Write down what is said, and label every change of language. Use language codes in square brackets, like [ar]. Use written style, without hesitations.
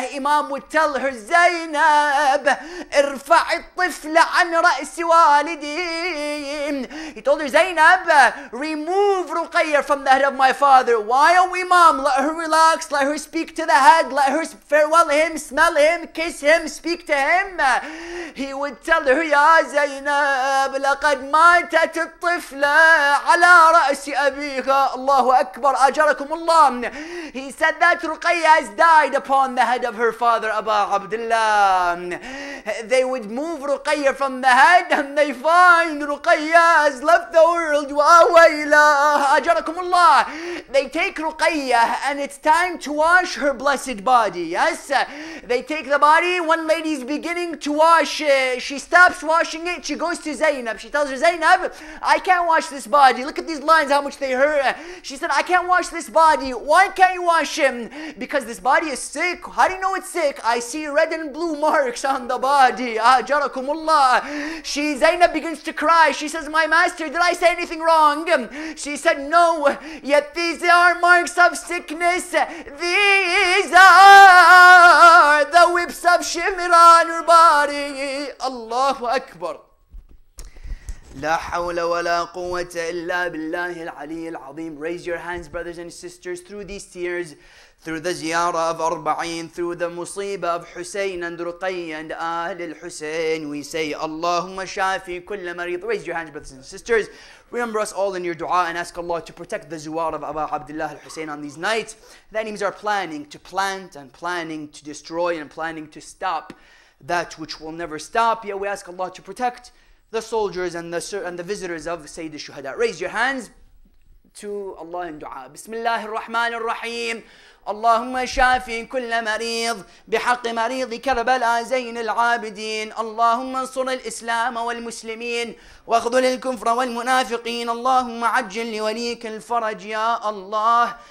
[en] Imam would tell her, Zainab, [ar] ارفع الطفل عن رأس والدين. [en] He told her, Zainab, remove Ruqayya from the head of my father. Why, oh Imam, let her relax, let her speak to the head, let her farewell him, smell him, kiss him, speak to him. He would tell her, [ar] يا زينب لقد ماتت الطفلة على رأس أبيها. الله أكبر أجركم الله. [en] He said that Ruqayya has died upon the head of her father, Aba Abdullah. They would move Ruqayya from the head, and they find Ruqayya has left the world. [ar] Wa wayla أجركم الله. [en] They take Ruqayya, and it's time to wash her blessed body. Yes, they take the body. One lady is beginning to wash. She stops washing it. She goes to Zainab. She tells her, Zainab, I can't wash this body. Look at these lines, how much they hurt. She said, I can't wash this body. Why can't you wash him? Because this body is sick. How do you know it's sick? I see red and blue marks on the body. Ah, jarakumullah. Zainab begins to cry. She says, my master, did I say anything wrong? She said, no. Yet these are marks of sickness. These are the whips of shimr on her body. [ar] الله أكبر لا حول ولا قوة إلا بالله العلي العظيم. [en] Raise your hands, brothers and sisters, through these tears, through the ziyarah of Arba'een, through the musibah of Husayn and Ruqayya and Ahl al-Husayn. We say [ar] Allahumma shafi kulla marid. [en] Raise your hands, brothers and sisters. Remember us all in your dua and ask Allah to protect the zuwar of Aba Abdullah al-Husayn on these nights. The enemies are planning to plant and planning to destroy and planning to stop that which will never stop. Yet we ask Allah to protect the soldiers and the visitors of Sayyid al-Shuhada. Raise your hands to Allah in dua. [ar] Bismillah ar-Rahman ar-Rahim. اللهم شافي كل مريض بحق مريض كربلاء زين العابدين. اللهم انصر الإسلام والمسلمين واخذل الكفر والمنافقين. اللهم عجل لوليك الفرج يا الله.